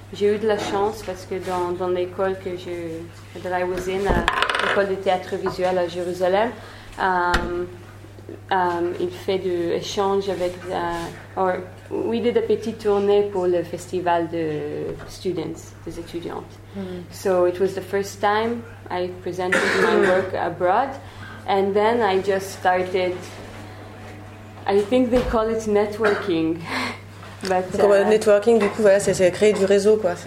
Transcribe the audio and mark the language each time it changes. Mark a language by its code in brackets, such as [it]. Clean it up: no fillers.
[fr] J'ai eu de la chance parce que dans l'école que je [en] was in, [fr] l'école de théâtre visuel à Jérusalem, il fait de échange avec [en] we did a [fr] petite tournée pour le festival de students, des étudiantes. [en] So it was the first time I presented my work abroad, and then I just started. I think they call it networking. [fr] Networking, du coup, voilà, c'est créer du réseau, quoi.